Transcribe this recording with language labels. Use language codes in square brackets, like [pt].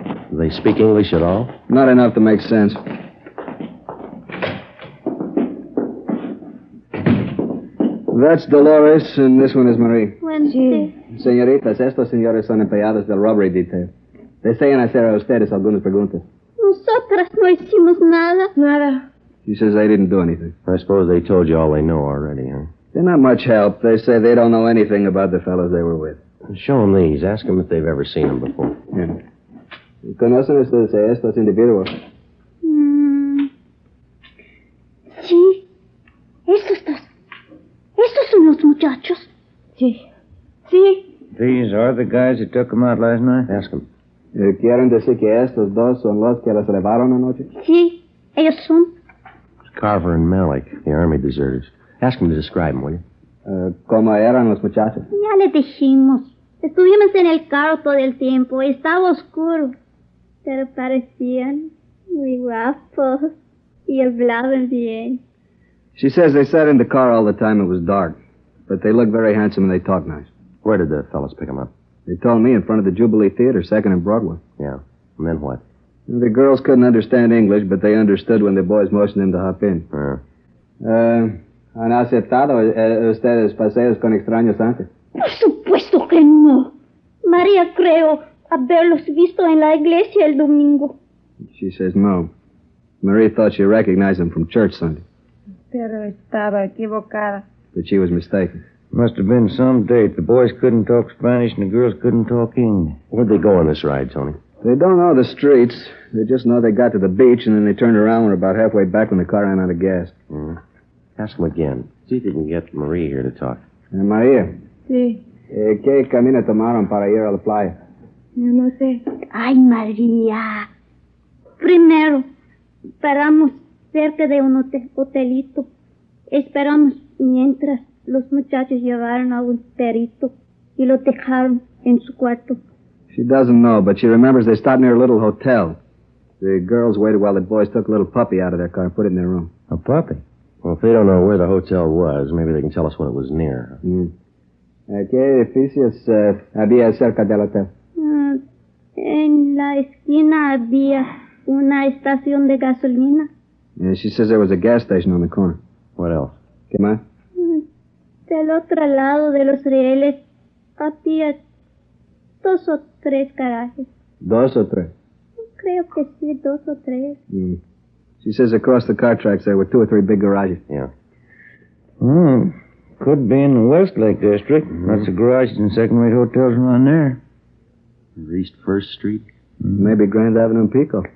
[en] Do they speak English at all? Not enough to make sense. That's Dolores, and this one is Marie. [es] Buenos días. Señoritas, estos señores son empleados del robbery detail. Desean hacer a ustedes algunas preguntas. Nosotras no hicimos nada. Nada. [en] She says they didn't do anything. I suppose they told you all they know already, huh? They're not much help. They say they don't know anything about the fellows they were with. Show them these. Ask them if they've ever seen them before. Yeah. [es] ¿Conocen ustedes a estos individuos? Sí. Estos son los muchachos. Sí. Sí. [en] These are the guys that took them out last night? Ask them. [es] ¿Quieren decir que estos dos son los que las llevaron anoche? Sí. Ellos son. [en] Carver and Malik, the Army deserters. Ask them to describe them, will you? [es] ¿Cómo eran los muchachos? Ya le dijimos. Estuvimos en el carro todo el tiempo. Estaba oscuro. Pero parecían muy guapos. Y hablaban bien. [en] She says they sat in the car all the time it was dark. But they looked very handsome and they talked nice. Where did the fellas pick them up? They told me in front of the Jubilee Theater, 2nd and Broadway. Yeah. And then what? The girls couldn't understand English, but they understood when the boys motioned them to hop in. [es] ¿Han aceptado ustedes paseos con extraños antes? Por supuesto que no. María creo haberlos visto en la iglesia el domingo. [en] She says no. Marie thought she recognized them from church Sunday. [es] Pero estaba equivocada. [en] But she was mistaken. Must have been some date. The boys couldn't talk Spanish and the girls couldn't talk English. Where'd they go on this ride, Tony? They don't know the streets. They just know they got to the beach and then they turned around and were about halfway back when the car ran out of gas. Mm. Ask them again. See if you can get Marie here to talk. Maria? [es] Sí. ¿Qué camino tomaron para ir a la playa? No sé. Ay, Maria. Primero, paramos cerca de un hotelito. Esperamos mientras los muchachos llevaron a un perito y lo dejaron en su cuarto. [en] She doesn't know, but she remembers they stopped near a little hotel. The girls waited while the boys took a little puppy out of their car and put it in their room. A puppy? Well, if they don't know where the hotel was, maybe they can tell us when it was near. [es] ¿Qué edificios había cerca del hotel? En la esquina había una estación de gasolina. [en] Yeah, she says there was a gas station on the corner. What else? [es] ¿Qué más? Del otro lado de los rieles había dos o tres garajes. ¿Dos o tres? Creo que sí, dos o tres. Mm. [en] She says across the car tracks there were two or three big garages. Yeah. Mm. Could be in the Westlake District. Mm-hmm. Lots of garages and second-rate hotels around there. Or East First Street? Mm. Maybe Grand Avenue and Pico.